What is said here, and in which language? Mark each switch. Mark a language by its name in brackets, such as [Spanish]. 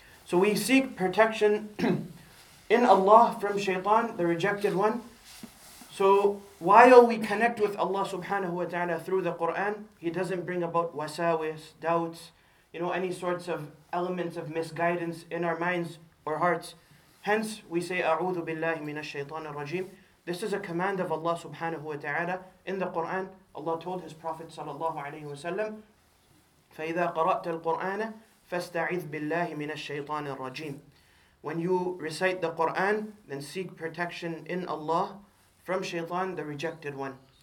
[English] So we seek protection in Allah from shaitan, the rejected one. So while we connect with Allah subhanahu wa ta'ala through the Quran, he doesn't bring about wasawis, doubts, you know, any sorts of elements of misguidance in our minds or hearts. Hence we say, [Arabic] أَعُوذُ بِاللَّهِ مِنَ الشَّيْطَانِ الرَّجِيمِ. [English] This is a command of Allah subhanahu wa ta'ala in the Quran. Allah told His Prophet [Arabic] sallallahu alayhi wa sallam, فَإِذَا قَرَأْتَ الْقُرْآنَ فَاسْتَعِذْ بِاللَّهِ مِنَ الشَّيْطَانِ الرَّجِيمِ. [English] When you recite the Qur'an, then seek protection in Allah from shaitan, the rejected one.